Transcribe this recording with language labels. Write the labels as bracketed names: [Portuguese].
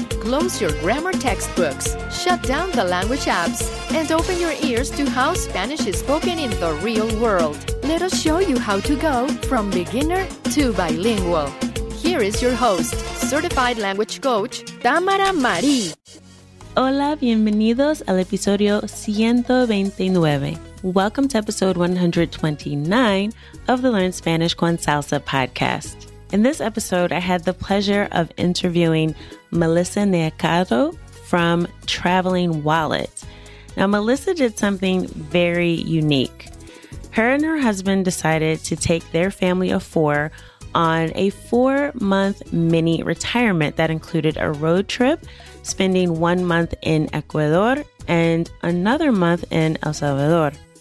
[English] Close your grammar textbooks, shut down the language apps, and open your ears to how Spanish is spoken in the real world. Let us show you how to go from beginner to bilingual. Here is your host, Certified Language Coach, Tamara Marie. [Spanish] Hola, bienvenidos al episodio 129. [English] Welcome to episode 129 of the Learn Spanish con Salsa podcast. In this episode, I had the pleasure of interviewing Melissa Neacado from Traveling Wallet. Now, Melissa did something very unique. Her and her husband decided to take their family of four on a four-month mini retirement that included a road trip, spending 1 month in Ecuador and another month in El Salvador.